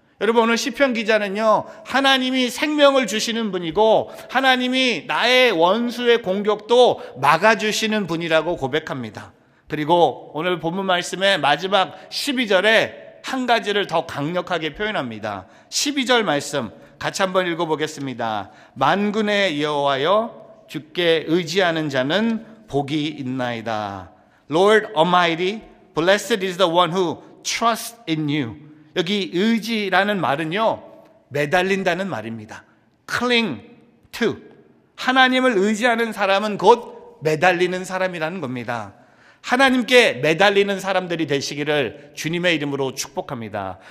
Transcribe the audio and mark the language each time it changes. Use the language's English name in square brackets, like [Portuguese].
[Korean] 여러분, 오늘 시편 기자는요, 하나님이 생명을 주시는 분이고 하나님이 나의 원수의 공격도 막아주시는 분이라고 고백합니다. 그리고 오늘 본문 말씀의 마지막 12절에 한 가지를 더 강력하게 표현합니다. 12절 말씀 같이 한번 읽어보겠습니다. 만군의 여호와여 주께 의지하는 자는 복이 있나이다. [English] Lord Almighty, blessed is the one who trusts in you. [Korean] 여기 의지라는 말은요, 매달린다는 말입니다. [English] Cling to. [Korean] 하나님을 의지하는 사람은 곧 매달리는 사람이라는 겁니다. 하나님께 매달리는 사람들이 되시기를 주님의 이름으로 축복합니다.